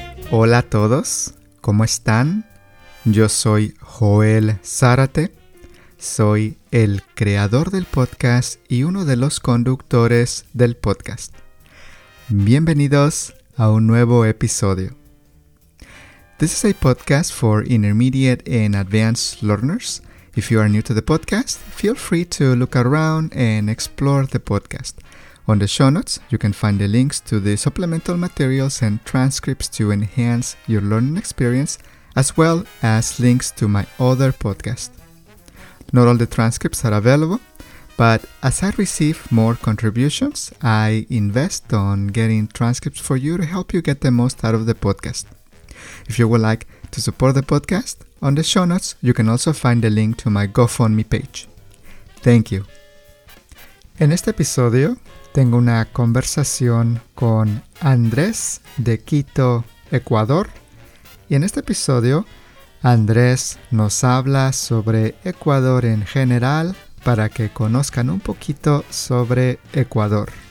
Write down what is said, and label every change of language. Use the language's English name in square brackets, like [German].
[Spanish] Hola a todos, ¿cómo están? Yo soy Joel Zárate, soy el creador del podcast y uno de los conductores del podcast. Bienvenidos a un nuevo episodio. [English] This is a podcast for intermediate and advanced learners. If you are new to the podcast, feel free to look around and explore the podcast. On the show notes, you can find the links to the supplemental materials and transcripts to enhance your learning experience, as well as links to my other podcast. Not all the transcripts are available, but as I receive more contributions, I invest on getting transcripts for you to help you get the most out of the podcast. If you would like to support the podcast, on the show notes, you can also find the link to my GoFundMe page. Thank you. [Spanish] En este episodio, tengo una conversación con Andrés de Quito, Ecuador. Y en este episodio, Andrés nos habla sobre Ecuador en general para que conozcan un poquito sobre Ecuador.